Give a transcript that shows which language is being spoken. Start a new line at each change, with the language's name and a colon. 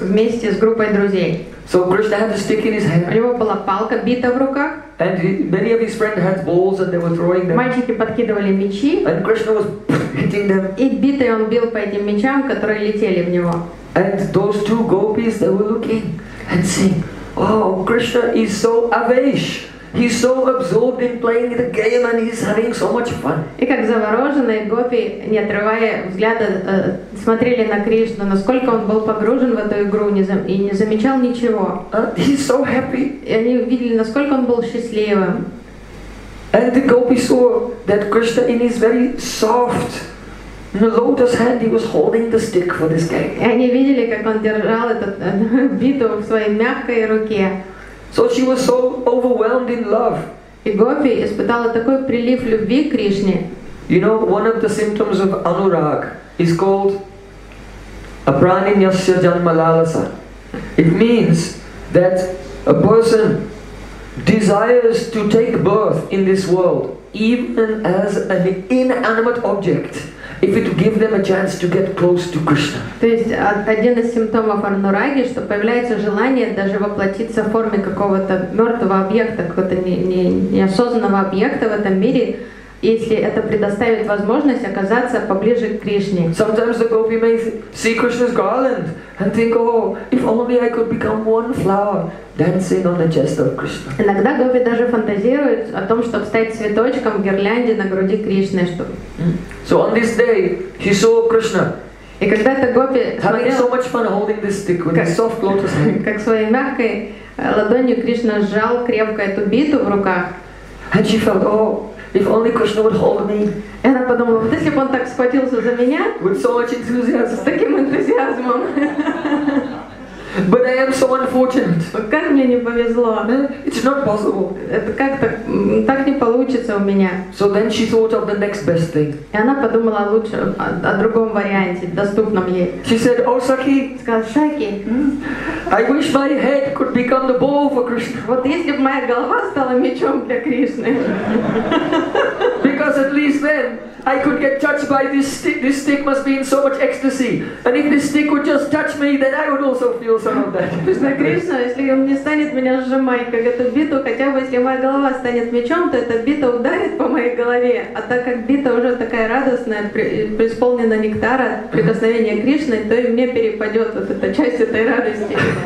Russian: Вместе с группой друзей.
English: So Krishna had a stick in his hand.
Russian: У него была палка, бита в руках.
English: And many of his friends had balls and they were throwing them.
Russian: Мальчики подкидывали мячи.
English: And Krishna was hitting them.
Russian: И битой он бил по этим мячам, которые летели в него.
English: And those two gopis, they were looking and saying, oh, Krishna is so avesh. He's so absorbed in playing the game and he's having so much fun.
Russian: И как завороженные гопи, не отрывая взгляда, смотрели на Кришну, насколько он был погружен в эту игру и не замечал ничего.
English: He's so happy.
Russian: И они увидели, насколько он был счастливым.
English: And the gopi saw that Krishna in his very soft, in a lotus hand, he was holding the stick for this guy.
Russian: И они видели, как он держал этот биту в своей мягкой руке.
English: So she was so overwhelmed in love.
Russian: И гопи испытала такой прилив любви к Кришне.
English: You know, one of the symptoms of anurag is called apraninyasya janmalalasa. It means that a person desires to take birth in this world even as an inanimate object, if it give them a chance to get close to Krishna.
Russian: То есть один из симптомов анураги, что появляется желание даже воплотиться в форме какого-то мертвого объекта, какого-то неосознанного объекта в этом мире, если это предоставит возможность оказаться поближе к Кришне.
English: Sometimes the gopi may see Krishna's garland and think, oh, if only I could become one flower dancing on the chest of Krishna.
Russian: Иногда гопи даже фантазируют о том, чтобы стать цветочком в гирлянде на груди Кришны.
English: So on this day, he saw Krishna.
Russian: И когда эта гопи
English: having
Russian: смотрел,
English: so much fun holding this stick with his soft lotus hand.
Russian: Как своей мягкой ладонью Кришна сжал крепко эту биту в руках.
English: And she felt, oh, if only Krishna would hold me.
Russian: И она подумала, вот если бы он так схватился за меня.
English: With so much enthusiasm.
Russian: С таким энтузиазмом.
English: But I am so unfortunate.
Russian: Как мне не повезло.
English: It's not possible.
Russian: Это как-то так не получится у меня.
English: So then she thought of the next best thing.
Russian: И она подумала лучше о другом варианте, доступном ей.
English: She said, oh, Saki.
Russian: Сказала, Шаки.
English: I wish my head could become the ball for Krishna.
Russian: Вот если бы моя голова стала мечом для Кришны.
English: Because at least then I could get touched by this stick. This stick must be in so much ecstasy. And if this stick would just touch me, then I would also feel some of that.
Russian: Кришна, Кришна, если он не станет меня сжимать, как эту биту, хотя бы если моя голова станет мечом, то эта бита ударит по моей голове. А так как бита уже такая радостная, преисполнена нектара, прикосновения Кришны, то и мне перепадет вот эта часть этой радости.